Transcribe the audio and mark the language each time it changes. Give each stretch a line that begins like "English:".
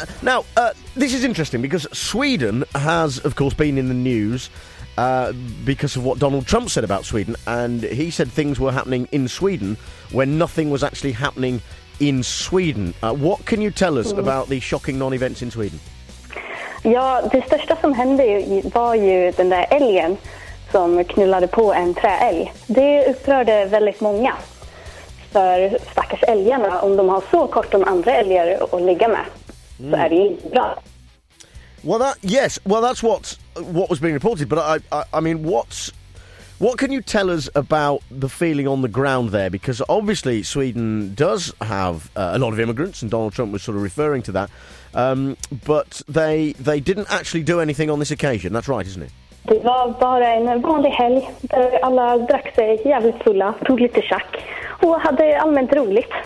English: Now, this is interesting because Sweden has, of course, been in the news because of what Donald Trump said about Sweden, and he said things were happening in Sweden when nothing was actually happening in Sweden. What can you tell us about the shocking non-events in Sweden?
Swedish: Ja, det största som hände var ju den där älgen som knullade på en träälg. Det upprörde väldigt många för stackars älgarna. Om de har så kort om andra älgar att ligga med så är det ju bra.
English: Well, that yes. Well, that's what was being reported. But I mean, what can you tell us about the feeling on the ground there? Because obviously, Sweden does have a lot of immigrants, and Donald Trump was sort of referring to that. But they didn't actually do anything on this occasion. That's right, isn't it?
Swedish: Det var bara en vanlig helg där alla drack sig jävligt fulla, tog lite schack och hade allmänt roligt.